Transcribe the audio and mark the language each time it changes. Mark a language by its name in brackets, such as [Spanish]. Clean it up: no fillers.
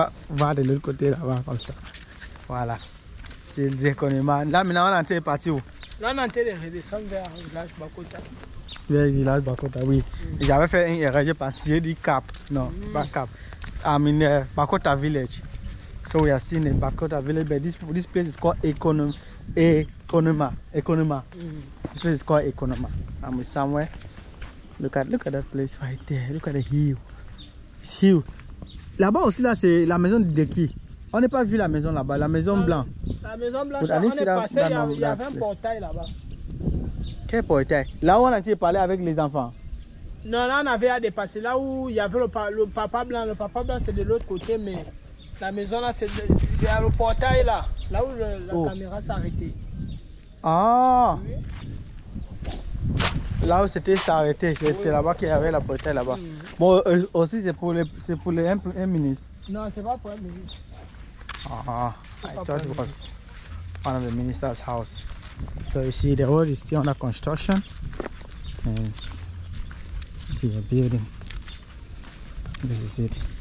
[French] Va de l'autre côté là-bas comme ça. Voilà. C'est l'économa. Là maintenant on est parti où? Là on est redescendre vers le village Bakota. Vers le village Bakota, oui. Mm. J'avais fait une erreur, j'ai passé du cap. Non, pas cap. [English] I'm in Bakota village. So we are still in Bakota village, but this place is called Economa. Economa, Economa. Mm-hmm. This place is called Economa. I'm with somewhere. Look at that place right there. Look at the hill. It's hill. [French] Là-bas aussi là c'est la maison de qui? On n'a pas vu la maison là-bas, la maison blanche. La maison blanche. On est passé, il y avait un portail là-bas. Quel portail? Là où on a été parler avec les enfants. Non, là on avait à dépasser. Là où il y avait le papa blanc. Le papa blanc c'est de l'autre côté, mais la maison là c'est il y a le portail là. Là où la caméra s'arrêtait. Ah oui. Là où c'était s'arrêter, c'est oui. Là-bas qu'il y avait la porte là-bas. Mm-hmm. Bon aussi c'est pour les un ministre. Non, c'est pas pour un ministre. [English] Ah, I thought it was one of the minister's house. So you see the road is still under construction. And here, building. This is it.